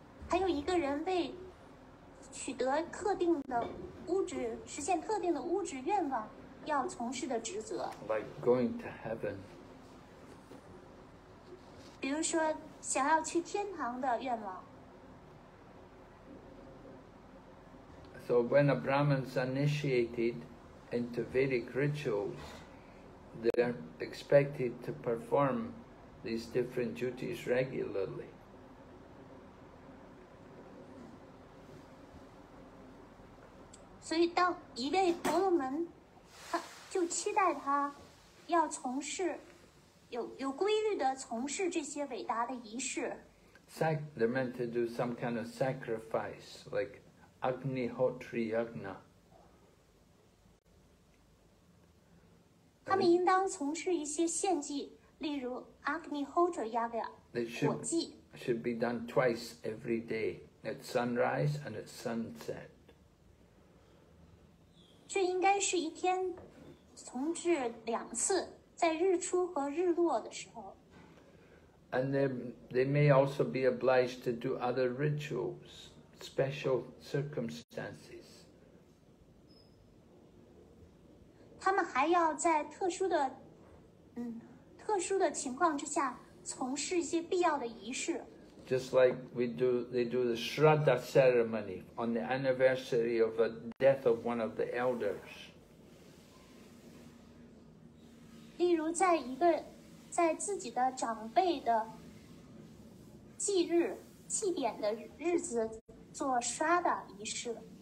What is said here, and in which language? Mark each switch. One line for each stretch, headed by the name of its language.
Chinese: 还有一个人为取得特定的物质，实现特定的物质愿望，要从事的职责。
English: Like going to heaven.
Chinese: 比如说想要去天堂的愿望。
English: So when a Brahmin's initiated into Vedic rituals, they're expected to perform these different duties regularly.
Chinese: So, 当一位婆罗门，他就期待他要从事有规律的从事这些伟大的仪式。
English: They're meant to do some kind of sacrifice, like. Agnihotri Yagna.
Chinese: 他们应当从事一些献祭，例如 Agnihotri Yagna 火祭。
English: Should be done twice every day at sunrise and at sunset.
Chinese: 这应该是一天从事两次，在日出和日落的时候。
English: And they may also be obliged to do other rituals. Special circumstances.
Chinese: 他们还要在特殊的情况之下从事一些必要的仪式。
English: Just like they do the Shraddha ceremony on the anniversary of the death of one of the elders.
Chinese: 例如在一个在自己的长辈的忌日祭典的日子。做刷的仪式。